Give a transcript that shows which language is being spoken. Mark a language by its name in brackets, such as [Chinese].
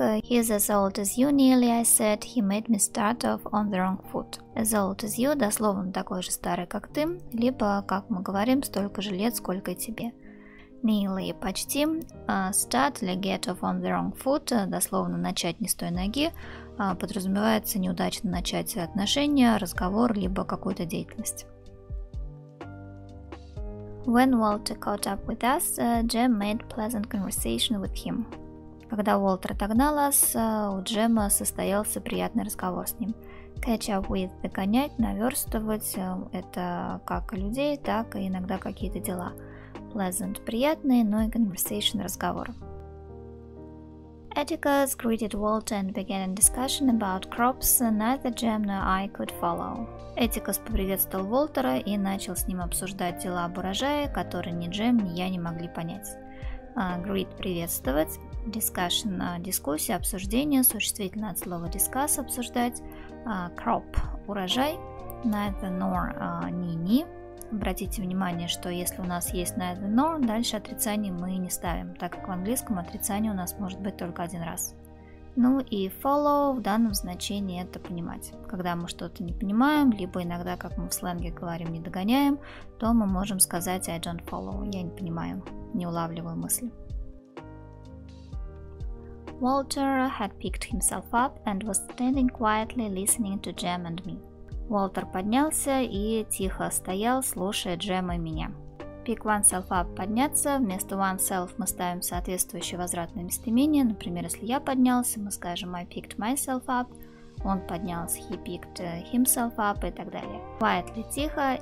[English] He's as old as you, nearly, I said. He made me start off on the wrong foot. As old as you, [Russian] дословно такой же старый, как ты, либо, как мы говорим, столько же лет, сколько и тебе. Nearly – почти. Start или [English] get off on the wrong foot, [Russian] дословно начать не с той ноги, подразумевается неудачно начать отношения, разговор, либо какую-то деятельность. [English] When Walter caught up with us, Jem made pleasant conversation with him. [Russian] Когда Уолтер догнал нас, у Джема состоялся приятный разговор с ним. [English] Catch up with [Russian] – догонять, наверстывать – это как людей, так и иногда какие-то дела. Pleasant – приятный, но и conversation – разговор. [English] Atticus greeted Walter and began a discussion about crops, neither Jem nor I could follow. [Russian] Atticus поприветствовал Уолтера и начал с ним обсуждать дела об урожае, которые ни Джем, ни я не могли понять. Greet – приветствовать. Discussion – дискуссия, обсуждение, существительное от слова discuss – обсуждать. Crop – урожай. Neither nor – ни-ни. Обратите внимание, что если у нас есть neither nor, дальше отрицание мы не ставим, так как в английском отрицание у нас может быть только один раз. Ну и follow в данном значении – это понимать. Когда мы что-то не понимаем, либо иногда, как мы в сленге говорим, не догоняем, то мы можем сказать [English] I don't follow [Russian] – я не понимаю, не улавливаю мысли. [English] Walter had picked himself up and was standing quietly listening to Jem and me. [Russian] Уолтер поднялся и тихо стоял, слушая Джема и меня. [English] Pick oneself up – подняться. [Russian] Вместо oneself мы ставим соответствующее возвратное местоимение. Например, если я поднялся, мы скажем [English] I picked myself up. [Russian] Он поднялся – [English] he picked himself up [Russian] и так далее. Quietly – тихо.